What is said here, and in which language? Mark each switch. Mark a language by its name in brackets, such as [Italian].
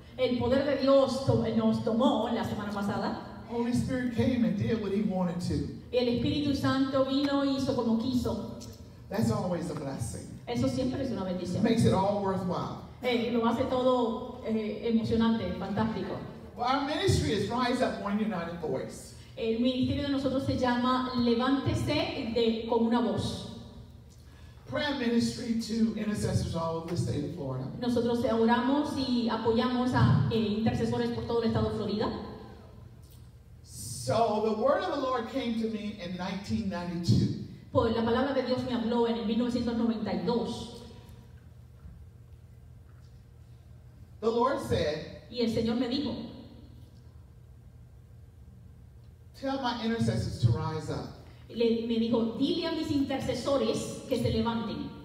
[Spanish] El poder de Dios nos tomó la semana pasada. [English] Holy Spirit came and did what he wanted to. [Spanish] El Espíritu Santo vino y hizo como quiso. [English] That's always a blessing. [Spanish] Eso siempre es una bendición. [English] Makes it all worthwhile. [Spanish] Lo hace todo emocionante, fantástico. [English] Well, our ministry is Rise Up One United Voice. [Spanish] El ministerio de nosotros se llama Levántese de con una voz. [English] Prayer ministry to intercessors all over the state of Florida. [Spanish] Nosotros oramos y apoyamos a intercesores por todo el estado de Florida. [English] So the word of the Lord came to me in 1992. [Spanish] Pues la palabra de Dios me habló en el 1992. [English] The Lord said, [Spanish] y el Señor me dijo, [English] tell my intercessors to rise up. [Spanish] Me dijo, dile a mis intercesores que se levanten.